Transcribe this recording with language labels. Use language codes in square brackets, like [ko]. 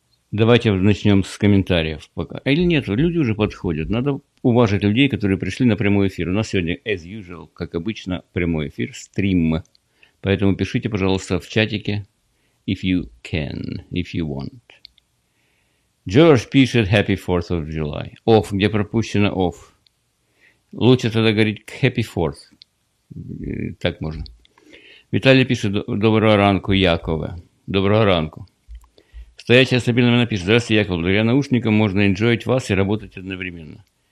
[ru] Давайте начнем с комментариев пока. Или нет, люди уже подходят. Надо уважать людей, которые пришли на прямой эфир. У нас сегодня, [en] as usual, [ru] как обычно, прямой эфир, стрим. Поэтому пишите, пожалуйста, в чатике. [en] If you can, if you want. [ru] George пишет [en] Happy 4th of July. [ru] Off, где пропущено off. Лучше тогда говорить [en] Happy 4th. [ru] Так можно. Виталий пишет [uk] Доброго ранку, Якове. Доброго ранку. [ru] Стоящая стабильно меня пишет. Здравствуйте, Яков. Благодаря наушникам можно enjoy'ть вас и работать одновременно.